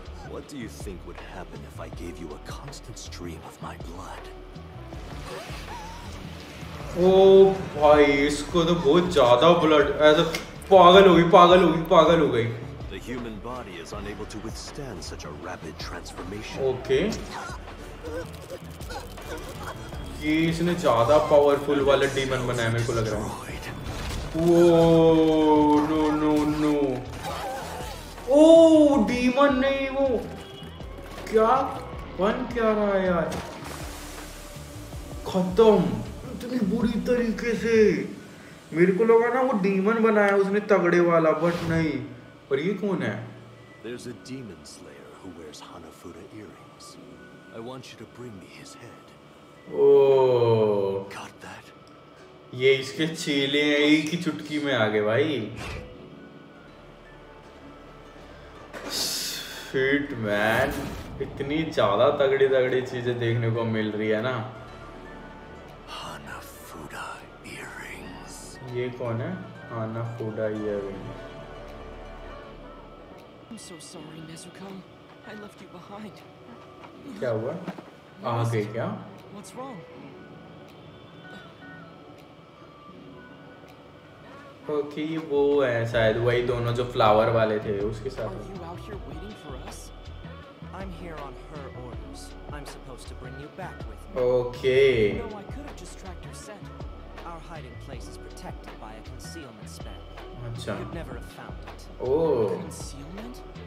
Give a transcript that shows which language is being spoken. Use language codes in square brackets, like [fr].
[en] What do you think would happen if I gave you a constant stream of my blood? [hi] ओह भाई, इसको तो बहुत ज्यादा blood, ऐसा पागल हो गई, पागल हो गई, पागल हो गई। [en] The human body is unable to withstand such a rapid transformation. Okay. [hi] ये इसने ज्यादा पावरफुल वाले डीमन बनाए मेरे को लग रहा है। ओ नो नो नो, ओ डीमन नहीं, वो क्या बन क्या रहा है यार, खत्म इतनी बुरी तरीके से। मेरे को लगा ना वो डीमन बनाया उसने तगड़े वाला, बट नहीं। और ये कौन है? [en] There's a demon slayer who wears Hanafuda earrings. I want you to bring me his head. Oh. Got that? [hi] ये इसके चेले हैं, एक ही चुटकी में आ गए भाई। [en] Shit man, [hi] इतनी ज़्यादा तगड़ी तगड़ी चीज़ें देखने को मिल रही है ना। [en] Hanafuda earrings. [hi] ये कौन है? [en] Hanafuda earrings. I'm so sorry, Nezuko. I left you behind. [hi] क्या हुआ? आगे क्या? [en] What's wrong? [hi] Okay, वो है शायद वही दोनों जो फ्लावर वाले थे उसके साथ। [en] Are you out here waiting for us? I'm here on her orders. I'm supposed to bring you back with me. Okay. You know, I could have just tracked her scent. Our hiding place is protected by a concealment spell. [hi] Achha. [en] You'd never have found it. Oh. Concealment?